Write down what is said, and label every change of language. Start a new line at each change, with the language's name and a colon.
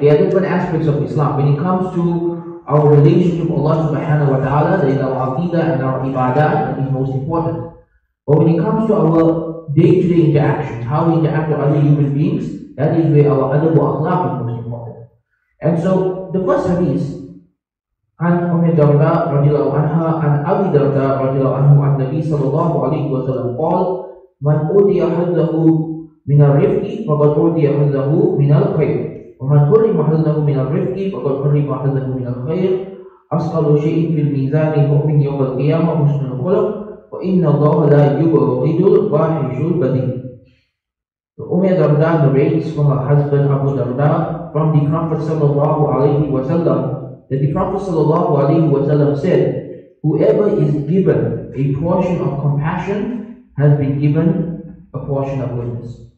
English: There are different aspects of Islam. When it comes to our relationship with Allah subhanahu wa ta'ala, there is our aqidah and our ibadah, that is most important. But when it comes to our day-to-day interactions, how we interact with other human beings, that is where our adab wa akhlaq is most important. And so, the first hadith,
Arabic: عن أم الدرداء رضي الله عنها عن أبي الدرداء رضي الله عنه عن النبي صلى الله عليه وسلم قال من أودي حله من الرفق فقد أودي حله من الخير ومن حرم حله من الرفق فقد حرم حله من الخير أثقل شيء في الميزان المؤمن يوم القيامة حسن الخلق وإن الله لا يبغض الفاحش البذيء.
English: Umm al Darda narrates from her husband Abu al Darda from the Prophet
Arabic: صلى الله عليه وسلم
English: that the Prophet sallallahu alaihi wasallam said, whoever is given a portion of compassion has been given a portion of goodness.